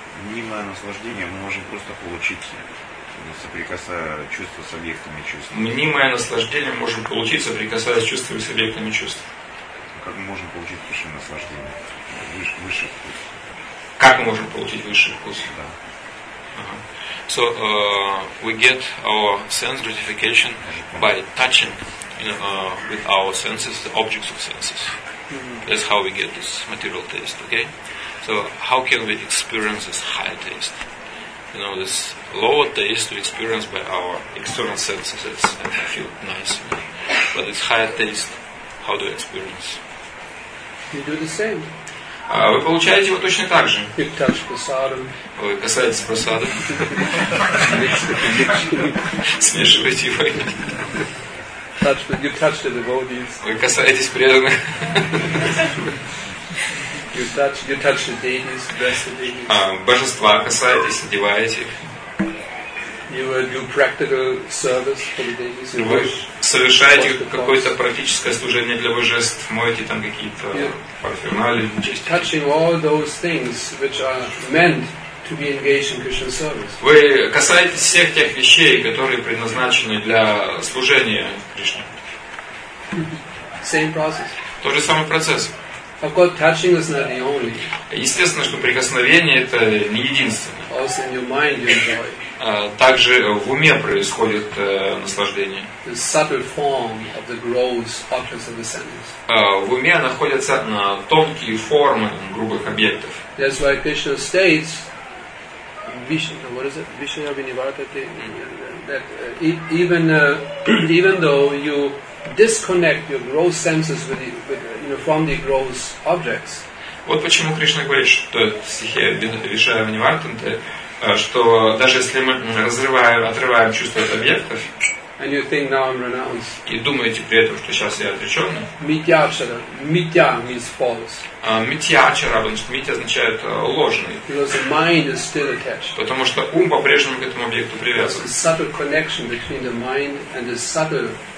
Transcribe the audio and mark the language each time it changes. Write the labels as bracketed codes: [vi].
[ru] Мимо наслаждения мы можем просто получить. Соприкасаясь чувства с объектами чувств. Мнимое наслаждение можем получить, соприкасаясь чувствами с объектами чувств. Как мы можем получить высшее наслаждение? Высший вкус. Как мы можем получить высший вкус? Да. [en] So we get our sense gratification by touching with our senses, the objects of senses. That's how we get this material taste, okay? So how can we experience this higher taste? You know, this lower taste we experience by our external senses. It's, I feel nice. You know. But this higher taste, how do we experience? You do the same. [ru] Вы получаете его точно так же. [en] You touch prasadam. [ru] Вы касаетесь просады. Смешиваете его. [en] You touch the devotees. [ru] Вы касаетесь преданных. [en] You touch the deities, bless the deities. [ru] Божества касаетесь, одеваете. [en] You do practical service for the deities. [ru] Вы совершаете какое-то практическое служение для божеств, моете там какие-то парфюмали. [en] Touching all those things which are meant to be engaged in Krishna service. [ru] Вы касаетесь всех тех вещей, которые предназначены для служения Кришне. [en] Same process. [ru] Тот же самый процесс. [en] Of course, touching is not the only. [ru] Естественно, что прикосновение это не единственное. [en] Also in your mind you enjoy. [ru] Также в уме происходит наслаждение. [en] The subtle form of the gross objects of the senses. [ru] В уме находятся тонкие формы грубых объектов. [en] That's why Krishna states, Vishnu, what is it? Vishnu Vinivarta, that even though you disconnect your gross senses from the gross objects. [ru] Вот почему Кришна говорит, что в стихе Бинатавишая Ванивартанте, что даже если мы отрываем чувства от объектов, [en] and you think now I'm renounced. [ru] И думаете при этом, что сейчас я отречен. [en] Митьячара. Митья means false. [ru] Митьячара, потому что митья означает ложный. [en] Because the mind is still attached. [ru] Потому что ум по-прежнему к этому объекту привязан. [en] There's a subtle connection between the mind and the subtle.